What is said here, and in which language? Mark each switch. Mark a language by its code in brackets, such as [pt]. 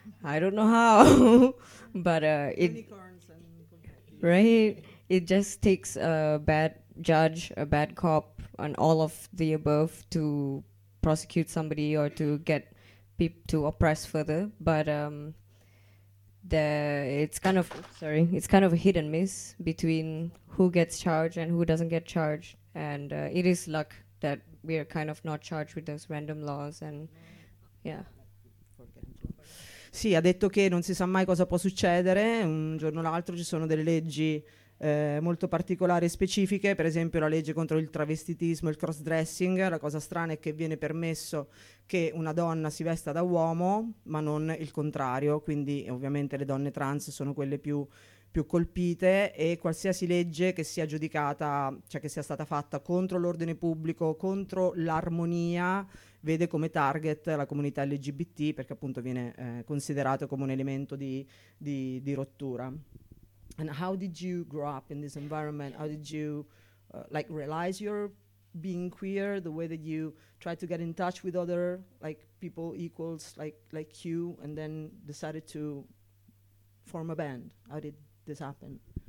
[en] I don't know how. But it just takes a bad judge, a bad cop, and all of the above to prosecute somebody or to get people to oppress further. But it's kind of a hit and miss between who gets charged and who doesn't get charged. And it is luck that we are kind of not charged with those random laws. And [it] sì, ha detto che non si sa mai cosa può succedere un giorno o l'altro. Ci sono delle leggi molto particolari e specifiche, per esempio la legge contro il travestitismo, il crossdressing. La cosa strana è che viene permesso che una donna si vesta da uomo, ma non il contrario. Quindi ovviamente le donne trans sono quelle più colpite, e qualsiasi legge che sia giudicata, cioè che sia stata fatta contro l'ordine pubblico, contro l'armonia, vede come target la comunità LGBT, perché appunto viene considerato come un elemento di rottura. [en] And how did you grow up in this environment? How did you like realize you're being queer, the way that you try to get in touch with other like people equals like you, and then decided to form a band? How did this happen?